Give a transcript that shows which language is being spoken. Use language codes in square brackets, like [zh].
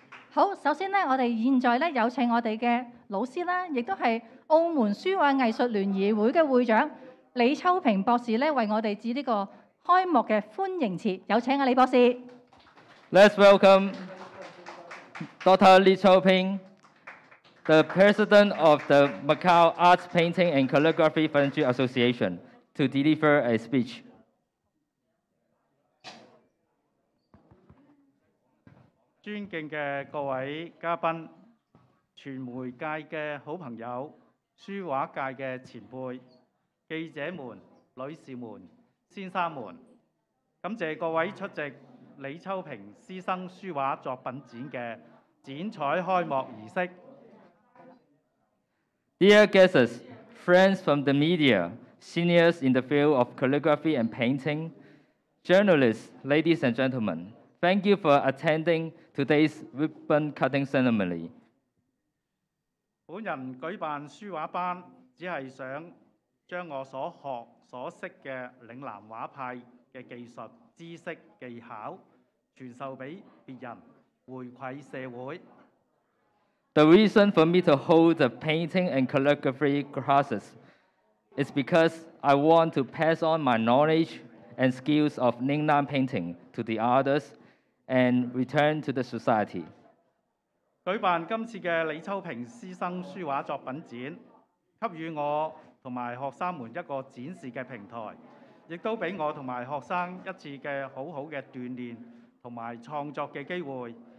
[yue] 好，首先呢，我哋現在呢有請我哋嘅老師啦，亦都係澳門書畫藝術聯誼會嘅會長李秋平博士呢，為我哋致呢個開幕嘅歡迎詞，有請啊李博士。 [en] Let's welcome Dr. Li Chaoping, the President of the Macau Arts Painting and Calligraphy Friendship Association, to deliver a speech. [yue] 尊敬的各位嘉賓、傳媒界的好朋友、書畫界的前輩、記者們、女士們、先生們，感謝各位出席李秋平師生書畫作品展的剪彩開幕儀式。 [en] Dear guests, friends from the media, seniors in the field of calligraphy and painting, journalists, ladies and gentlemen,Thank you for attending today's ribbon cutting ceremony. [yue] 本人舉辦書畫班，只係想將我所學所識嘅嶺南畫派嘅技術、知識、技巧傳授俾別人，回饋社會。 [en] The reason for me to hold the painting and calligraphy classes is because I want to pass on my knowledge and skills of Ningnan painting to the others. And return to the society. [yue] 舉辦今次的李秋平師生書畫作品展，給予我和學生們一個展示的平台，亦都給我和學生一次的好好的鍛鍊和創作的機會。